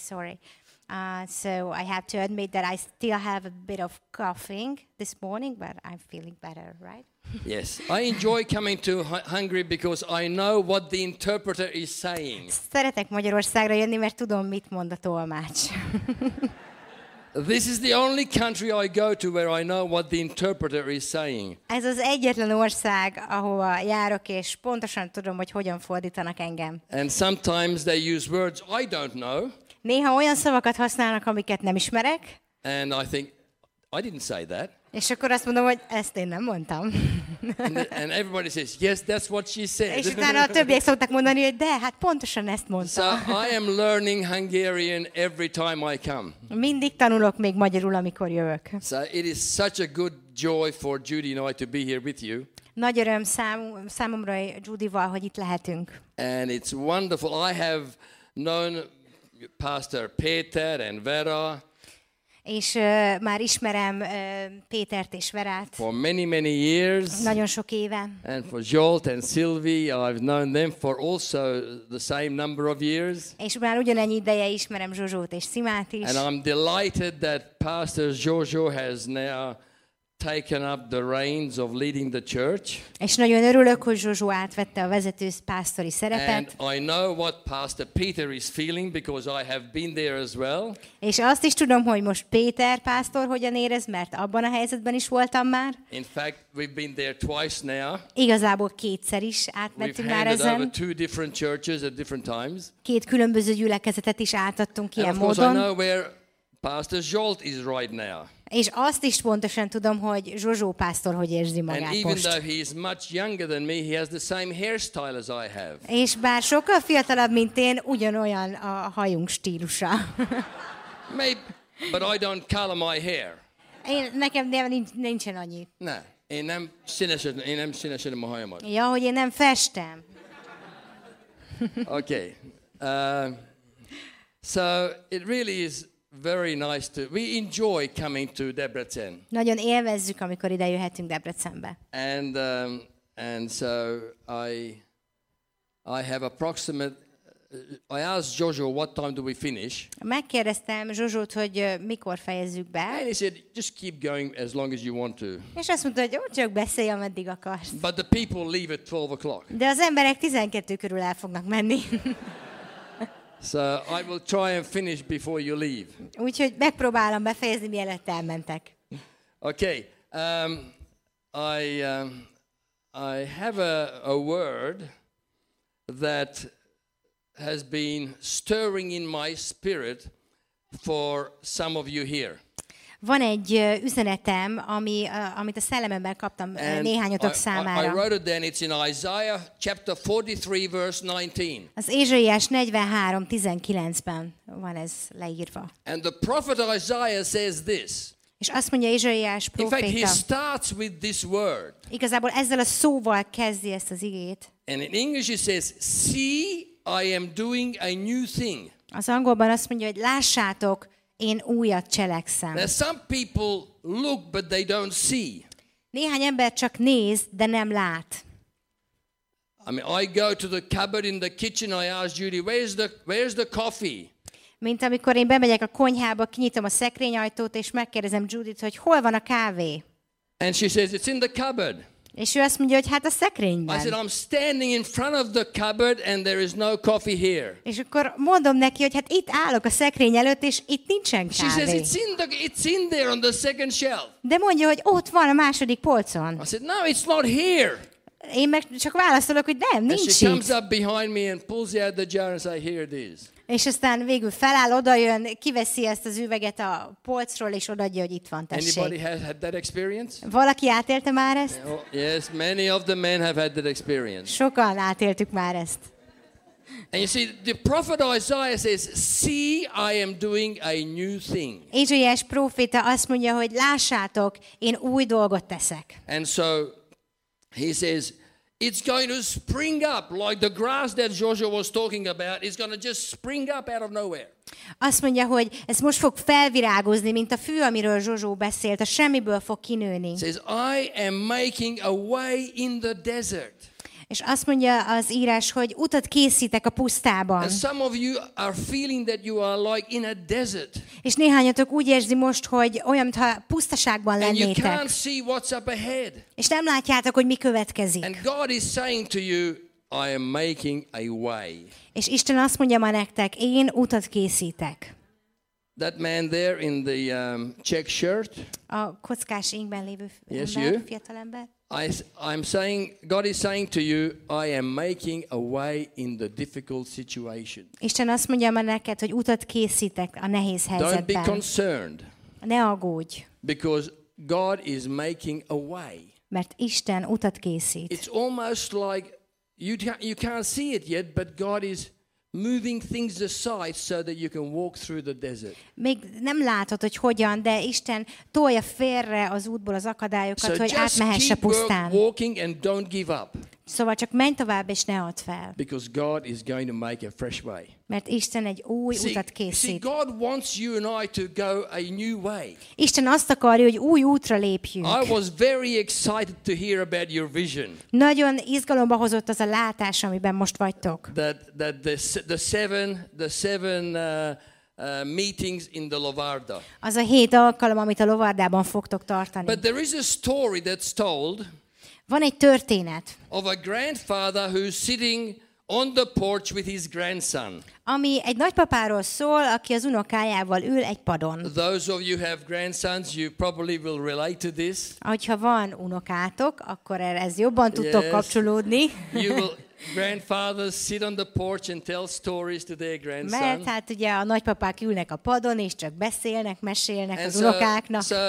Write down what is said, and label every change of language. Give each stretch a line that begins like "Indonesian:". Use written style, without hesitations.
English: So I have to admit that I still have a bit of coughing this morning, but I'm feeling better, right? Yes, I enjoy coming to Hungary because I know what the interpreter is saying.
Hungarian: Szeretek Magyarországra jönni, mert tudom, mit mond a tolmács.
English: This is the only country I go to where I know what the interpreter is saying.
Hungarian: Ez az egyetlen ország, ahova járok, és pontosan tudom, hogy hogyan fordítanak engem.
English: And sometimes they use words I don't know.
Hungarian: Néha olyan szavakat használnak, amiket nem ismerek.
English: And I think I didn't say that.
Hungarian: És akkor azt mondom, hogy ezt én nem mondtam.
English: And everybody says, yes, that's what she said.
Hungarian: És utána a többiek szoktak mondani, hogy de, hát pontosan ezt mondta.
English: So I am learning Hungarian every time I come.
Hungarian: Mindig tanulok még magyarul, amikor jövök.
English: So it is such a good joy for Judy and I to be here with you.
Hungarian: Nagy öröm számomra Judyval, hogy itt lehetünk.
English: And it's wonderful. I have known Pastor Peter and Vera.
Hungarian: És már ismerem Pétert és Verát.
English: For many, many years.
Hungarian: Nagyon sok éve.
English: And for Jolt and Sylvie, I've known them for also the same number of years.
Hungarian: És már ugyanennyi ideje ismerem Zsuzsót és Szimát is.
English: And I'm delighted that Pastor Jojo has now taken up the reins of leading the church.
Hungarian: És nagyon örülök, hogy Zsuzsó átvette a vezető pásztori szerepet.
English: And I know what Pastor Peter is feeling because I have been there as well.
Hungarian: És azt is tudom, hogy most Péter pásztor hogyan érez, mert abban a helyzetben is voltam már.
English: In fact, we've been there twice now.
Hungarian: Igazából kétszer is átmentünk már ezen.
English: We've handed over two different churches at different times.
Hungarian: Két különböző gyülekezetet is átadtunk ilyen módon.
English: And of course, I know where Pastor Jolt is right now.
Hungarian: És azt is pontosan tudom, hogy Zsuzsó pásztor hogy érzi magát most.
English: And even though he is much younger than me, he has the same hairstyle as I have.
Hungarian: És bár sokkal fiatalabb, mint én, ugyanolyan a hajunk stílusa.
English: Maybe, but I don't color my hair.
Hungarian: Én, nekem nincsen annyi. Ne, én nem színesedem a hajamat. Ja, hogy én nem festem.
English: Okay. So it really is very nice to. We enjoy coming to Debrecen.
Hungarian: Nagyon élvezzük, amikor ide jöhetünk Debrecenbe.
English: And so I have approximate. I asked Jojo, what time do we finish?
Hungarian: Megkérdeztem Zsuzsót, hogy mikor fejezzük be.
English: And he said, just keep going as long as you want to.
Hungarian: És azt mondta, hogy ott csak beszélj, ameddig akarsz.
English: But the people leave at 12 o'clock.
Hungarian: De az emberek 12 körül el fognak menni.
English: So I will try and finish before you leave.
Hungarian: Úgyhogy megpróbálom befejezni, mielőtt elmentek.
English: Okay. I have a word that has been stirring in my spirit for some of you here.
Hungarian: Van egy üzenetem, amit a szellememben kaptam néhányotok számára.
English: I wrote it down, it's in Isaiah chapter 43 verse 19.
Hungarian: Az Ézsaiás 43:19-ben van ez leírva.
English: And the prophet Isaiah says this.
Hungarian: És azt mondja Ézsaiás próféta.
English: In fact, he starts with this word.
Hungarian: Igazából ezzel a szóval kezdi ezt az igét.
English: And in English it says, "See, I am doing a new thing."
Hungarian: Az angolban azt mondja, hogy lássátok, én újat cselekszem.
English: Now some people look but they don't see.
Hungarian: Néhány ember csak néz, de nem lát.
English: I mean, I go to the cupboard in the kitchen, I ask Judy, where's the coffee?
Hungarian: Mint amikor én bemegyek a konyhába, kinyitom a szekrényajtót és megkérdezem Judyt, hogy hol van a kávé?
English: And she says it's in the cupboard.
Hungarian: És ő azt mondja, hogy hát a szekrényben.
English: I said, I'm standing in front of the cupboard and there is no coffee here.
Hungarian: És akkor mondom neki, hogy hát itt állok a szekrény előtt, és itt nincsen kávé.
English: She says, it's in there on the second shelf.
Hungarian: De mondja, hogy ott van a második polcon.
English: I said, no, it's not here.
Hungarian: Én meg csak válaszolok, hogy nem, nincs itt.
English: She comes up behind me and pulls out the jar and says, here it is.
Hungarian: És aztán végül feláll, odajön, kiveszi ezt az üveget a polcról, és odaadja, hogy itt van, tessék. Valaki átélte már ezt?
English: Yes, many of the men have had that experience.
Hungarian: Sokan átéltük már ezt.
English: And you see, the prophet Isaiah says, see, I am doing a new thing.
Hungarian: Ézsaiás próféta azt mondja, hogy lássátok, én új dolgot teszek.
English: And so he says, it's going to spring up like the grass that Joshua was talking about. It's going to just spring up out of nowhere.
Hungarian: Azt mondja, hogy ez most fog felvirágozni, mint a fű, amiről Joshua beszélt, a semmiből fog kinőni.
English: Says, I am making a way in the desert.
Hungarian: És azt mondja az írás, hogy utat készítek a pusztában.
English: And some of you are feeling that you are like in a desert.
Hungarian: És néhányatok úgy érzi most, hogy olyan, mintha pusztaságban lennétek.
English: And you can't see what's up ahead.
Hungarian: És nem látjátok, hogy mi következik.
English: And God is saying to you, I am making a way.
Hungarian: És Isten azt mondja ma nektek, én utat készítek.
English: That man there in the check shirt.
Hungarian: A kockás inkben lévő fiatalember.
English: I'm saying, God is saying to you, I am making a way in the difficult situation.
Hungarian: Isten azt mondja ma neked, hogy utat készítek a nehéz helyzetben.
English: Don't be concerned.
Hungarian: Ne aggódj.
English: Because God is making a way.
Hungarian: Mert Isten utat készít.
English: It's almost like you can't see it yet, but God is moving things aside so that you can walk through the desert.
Hungarian: Még nem látod, hogy hogyan, de Isten tolja félre az útból az akadályokat,
English: so
Hungarian: hogy átmehess a pusztán.
English: Keep walking and don't give up.
Hungarian: Szóval csak menj tovább és ne add fel.
English: Because God is going to make a fresh way.
Hungarian: Mert Isten egy új utat készít.
English: See, God wants you and I to go a new way.
Hungarian: Isten azt akarja, hogy új útra lépjünk.
English: I was very excited to hear about your vision.
Hungarian: Nagyon izgalomba hozott az a látás, amiben most vagytok.
English: That the seven meetings in the Lovarda.
Hungarian: Az a hét alkalom, amit a Lovardában fogtok tartani.
English: But there is a story that's told.
Hungarian: Van egy történet.
English: Of a grandfather who's sitting on the porch with his grandson.
Hungarian: Ami egy nagypapáról szól, aki az unokájával ül egy padon.
English: Those of you have grandsons, you probably will relate to this.
Hungarian: Hogyha van unokátok, akkor ez jobban tudtok kapcsolódni.
English: You will grandfathers sit on the porch and tell stories to their grandson.
Hungarian: Mert hát ugye a nagypapák ülnek a padon és csak beszélnek, mesélnek az unokáknak.